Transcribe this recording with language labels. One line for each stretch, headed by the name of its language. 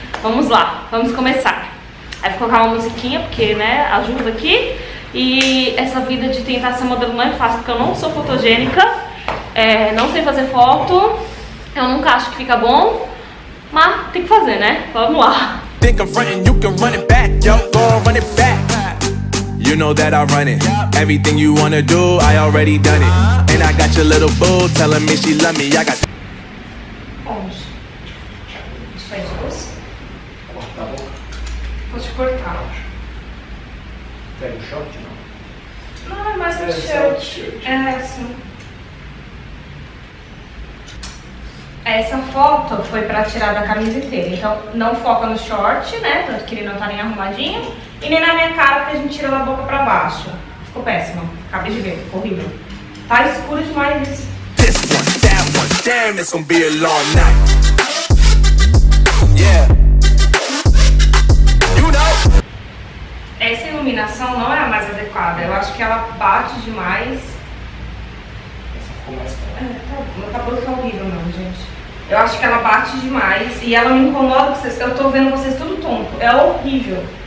Portuguese: Vamos lá, vamos começar. Aí ficou com uma musiquinha, porque, né, ajuda aqui. E essa vida de tentar ser modelo não é fácil, porque eu não sou fotogênica, não sei fazer foto. Eu nunca acho que fica bom, mas tem que fazer, né? Vamos lá.
English: Think I'm frontin', you can run it back, yo, go run it back. You know that I run it. Everything you wanna do, I already done it. And I got your little boo telling me she love me. I got.
Portuguese: Onde? Onde faz doce? Corta a boca. Vou te cortar. Pega o short, não? Não, é mais um short. É assim. Essa foto foi pra tirar da camisa inteira. Então não foca no short, né? Tanto que ele não tá nem arrumadinho. E nem na minha cara, porque a gente tira da boca pra baixo. Ficou péssimo. Acabei de ver, ficou horrível. Tá escuro demais isso.
English: This one, that one, damn, it's gonna be a long night. Yeah. You know?
Portuguese: Essa iluminação não é a mais adequada. Eu acho que ela bate demais. Essa ficou mais clara. Meu cabelo tá horrível, não, gente. Eu acho que ela bate demais e ela me incomoda com vocês. Eu tô vendo vocês tudo tonto. É horrível.